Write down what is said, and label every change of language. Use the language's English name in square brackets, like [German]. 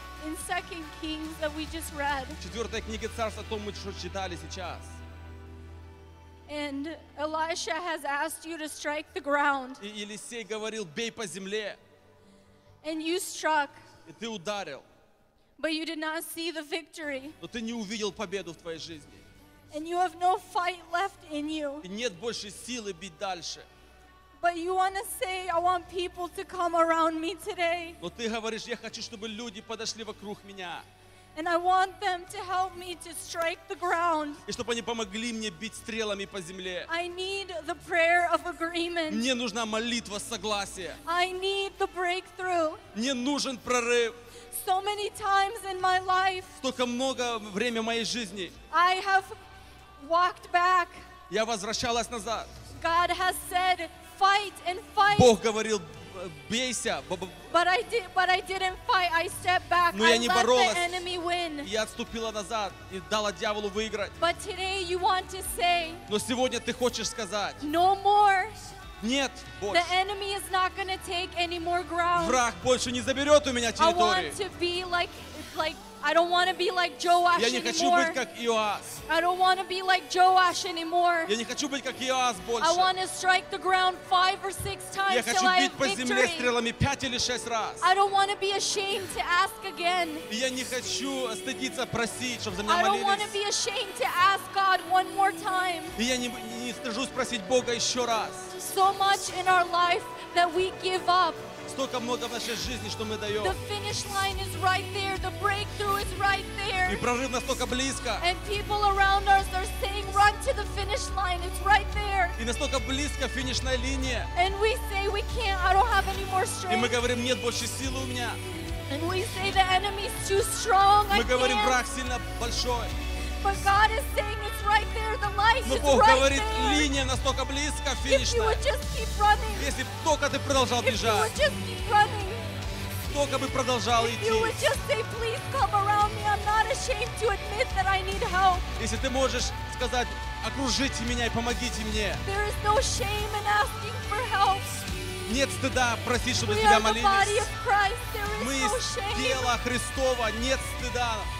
[English] In 2 Kings that we just read. [Russian] В четвертой книге царств о том мы что читали сейчас. [English] And Elisha has asked you to strike the ground. [Russian] И Елисей говорил бей по земле. [English] And you struck. [Russian] И ты ударил. [English] But you did not see the victory. [Russian] Но ты не увидел победу в твоей жизни. [English] And you have no fight left in you. [Russian] И нет больше силы бить дальше. [English] But you want to say, I want people to come around me today. [Russian] Но ты говоришь, я хочу, чтобы люди подошли вокруг меня. [English] And I want them to help me to strike the ground. [Russian] И чтобы они помогли мне бить стрелами по земле. [English] I need the prayer of agreement. [Russian] Мне нужна молитва согласия. [English] I need the breakthrough. [Russian] Мне нужен прорыв. [English] So many times in my life. [Russian] Столько много времени в моей жизни. [English] I have walked back. [Russian] Я возвращалась назад. [English] God has said, fight and fight. [Russian] Бог говорил, бейся. [English] But I didn't fight. I stepped back. [Russian] Но я не боролась. [English] The enemy win. [Russian] Я отступила назад и дала дьяволу выиграть. [English] But today you want to say. [Russian] Но сегодня ты хочешь сказать. [English] No more. [Russian] Нет, больше. [English] The enemy is not going to take any more ground. [Russian] Враг больше не заберет у меня территорию. [English] I want to be like I don't want to be like Joash anymore. [Russian] Я не хочу быть как Иоас. [English] I don't want to be like Joash anymore. [Russian] Я не хочу быть как Иоас больше. [English] I want to strike the ground 5 or 6 times. [Russian] Я хочу бить по земле стрелами 5 или 6 раз. [English] I don't want to be ashamed to ask again. [Russian] Я не хочу стыдиться просить, чтобы за меня молились. [English] I don't want to be ashamed to ask God one more time. [Russian] Я не стыжусь просить Бога еще раз. [English] So much in our life that we give up. [Russian] Столько много в нашей жизни, что мы даем. [English] The finish line is right there. The breakthrough is right there. [Russian] И прорыв настолько близко. [English] And people around us are saying, run to the finish line. It's right there. [Russian] И настолько близко финишная линия. [English] And we say, we can't. I don't have any more strength. [Russian] И мы говорим, нет больше силы у меня. [English] And we say, the enemy is too strong. [Russian] Мы говорим, враг сильно большой. [English] But God is saying it's right there, the light is [Russian] Бог [English] right [Russian] говорит, [English] there. [Russian] Линия настолько близко, финишная. [English] If you would just keep running. [Russian] Если бы только ты продолжал бежать. [English] If you would just keep running. [Russian] Только бы продолжал [English] if [Russian] идти. [English] If you would just say, please come around me, I'm not ashamed to admit that I need help. [Russian] Если ты можешь сказать, окружите меня и помогите мне. [English] There is no shame in asking for help. [Russian] Нет стыда просить, чтобы [English] we [Russian] тебя молились. [English] Christ, there is [Russian] мы [English] no shame. [Russian] Тело Христова, нет стыда.